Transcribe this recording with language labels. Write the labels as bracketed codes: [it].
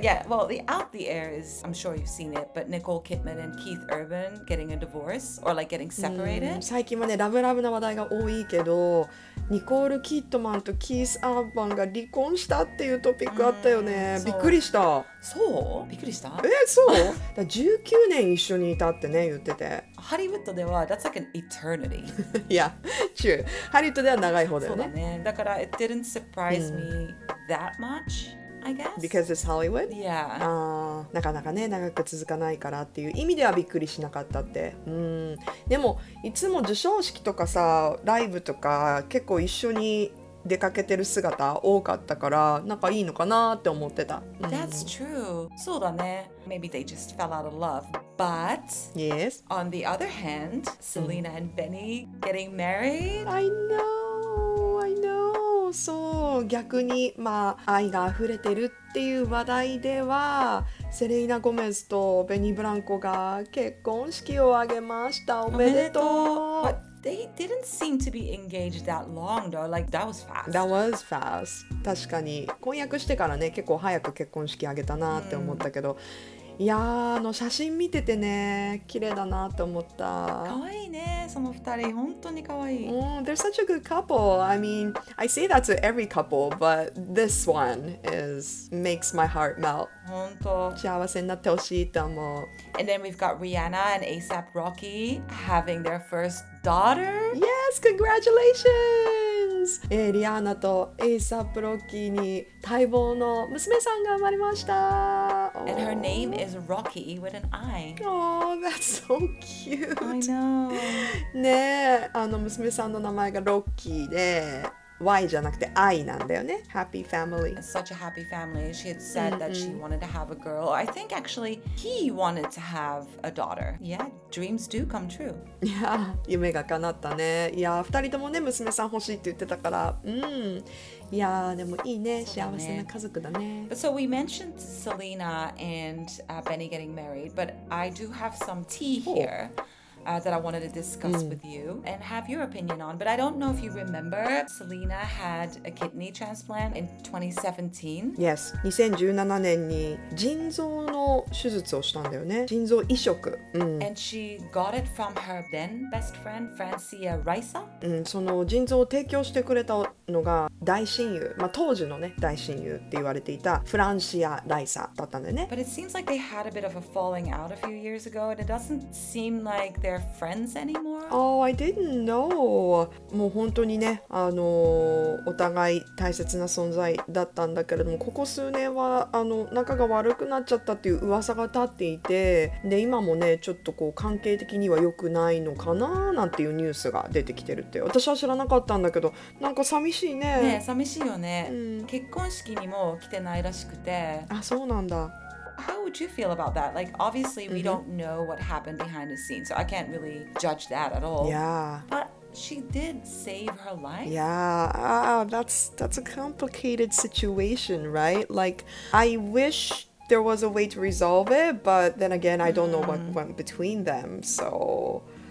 [en] Yeah, well, the out the air is, I'm sure you've seen it, but Nicole Kidman and Keith Urban getting a divorce or like getting separated. [ja] 最近はね、ラブラブな話題が多いけど、ニコール・キッドマンとキース・アーバンが離婚したっていうトピックあったよね。びっくりした。そう？びっくりした？そう？だ19年一緒にいたってね、言ってて。ハリウッドでは、 [en] that's like an eternity. Yeah, true. [ja] ハリウッドでは長い方だよね。そうだね。だから、 [en] it didn't surprise me that much. I guess. Because it's Hollywood? Yeah. [ja] なかなかね、長く続かないからっていう意味ではびっくりしなかったって。でも、いつも授賞式とかさ、ライブとか結構一緒に出かけてる姿多かったから、なんかいいのかなって思ってた。 [en] That's true. [ja] そうだね。 [en] Maybe they just fell out of love. But, yes. On the other hand, Selena and Benny getting married? I know, I know. [ja] そう、逆に、まあ、愛が溢れてるっていう話題ではセレイナ・ゴメズとベニー・ブランコが結婚式を挙げました。おめでとう。 [en] But they didn't seem to be engaged that long though. Like, that was fast. That was fast. [ja] 確かに婚約してからね、結構早く結婚式挙げたなって思ったけど、いやー、あの写真見ててね、綺麗だなと思った。可愛いね、その二人、本当に可愛い。 [en] They're such a good couple. I mean, I say that to every couple, but this one is makes my heart melt. [ja] 本当、幸せになってほしいと思う。 [en] And then we've got Rihanna and A$AP Rocky having their first daughter. Yes, congratulations! [ja] Rihanna と A$AP Rocky に待望の娘さんが生まれました。 [en] And her name is Rocky with an I. Oh, that's so cute. I know. [ja] ねえ、あの娘さんの名前がロッキーで、 Y じゃなくて I なんだよね。 [en] Happy family. Such a happy family. She had said that she wanted to have a girl. I think actually he wanted to have a daughter. Yeah, dreams do come true. [ja] いや、夢が叶ったね。いや、二人ともね、娘さん欲しいって言ってたから。うん。いや、でもいいね。幸せな家族だね。 [en] But so we mentioned Selena and Benny getting married, but I do have some tea here. That I wanted to discuss with you and have your opinion on. But I don't know if you remember, Selena had a kidney transplant in 2017. [ja] Yes, 2017年に腎臓の手術をしたんだよね。腎臓移植。 [en] And she got it from her then best friend, Francia Risa. [ja] その腎臓を提供してくれたのが大親友、まあ、当時のね、大親友って言われていたフランシア・ライサだったんだよね。 [en] But it seems like they had a bit of a falling out a few years ago, and it doesn't seem like they'reFriends anymore? Oh, I didn't know. [ja] もう本当にね、お互い大切な存在だったんだけれども、ここ数年は仲が悪くなっちゃったっていう噂が立っていて、で今もねちょっとこう関係的には良くないのかななんていうニュースが出てきてるって、私は知らなかったんだけど、なんか寂しいね。ね、寂しいよね。結婚式にも来てないらしくて。あ、そうなんだ。 [en] How would you feel about that? Like, obviously, we don't know what happened behind the scenes, so I can't really judge that at all. Yeah. But she did save her life. Yeah. That's a complicated situation, right? Like, I wish there was a way to resolve it, but then again, I don't know what went between them, so...